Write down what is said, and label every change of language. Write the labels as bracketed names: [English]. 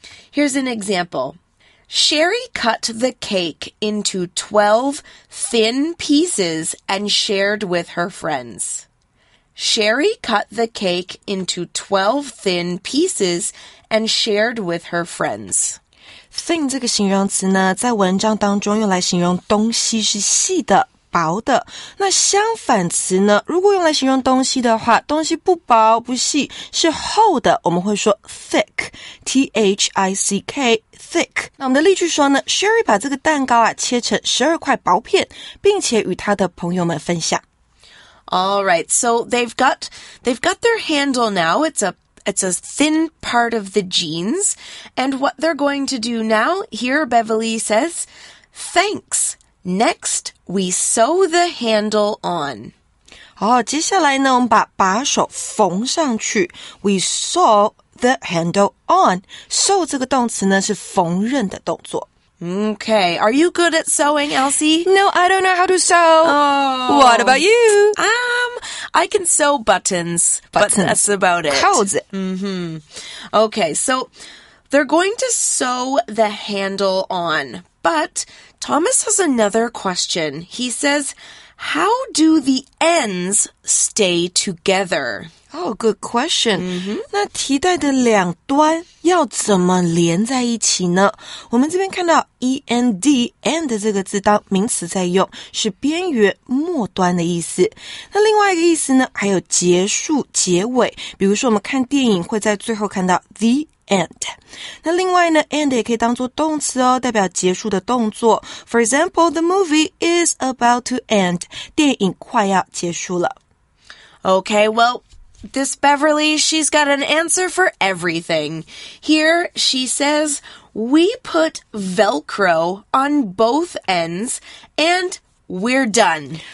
[English] Here's an example. Sherry cut the cake into 12 thin pieces and shared with her friends. Sherry cut the cake into 12 thin pieces and shared with her friends. [Chinese] Thin 这个形容词呢，在文章当中用来形容东西是细的、薄的。那相反词呢，如果用来形容东西的话，东西不薄、不细，是厚的，我们会说 thick, T-H-I-C-K, thick. 那我们的例句说呢 ,Sherry 把这个蛋糕啊切成12块薄片，并且与她的朋友们分享。 [English] All right, so they've got their handle now. It's a thin part of the jeans. And what they're going to do now, here Beverly says, thanks. Next, we sew the handle on. [Chinese] 哦，接下来呢，我们把把手缝上去。 [English] We sew the handle on. [Chinese] Sew 这个动词呢，是缝纫的动作。 [English] Okay, are you good at sewing, Elsie? No, I don't know how to sew. Oh. What about you? I can sew buttons, buttons. But that's about it. How's it? Mm-hmm. Okay, so they're going to sew the handle on. But Thomas has another question. He says, how do the ends stay together? Oh, good question. Mm-hmm. [Chinese] 那提袋的两端要怎么连在一起呢？我们这边看到 END, end 这个字当名词在用，是边缘、末端的意思。那另外一个意思呢，还有结束、结尾。比如说我们看电影会在最后看到 the end。那另外呢 ,end 也可以当作动词哦，代表结束的动作。 [English] For example, the movie is about to end. [Chinese] 电影快要结束了。 [English] Okay, well,This Beverly, she's got an answer for everything. Here, she says, we put Velcro on both ends, and we're done.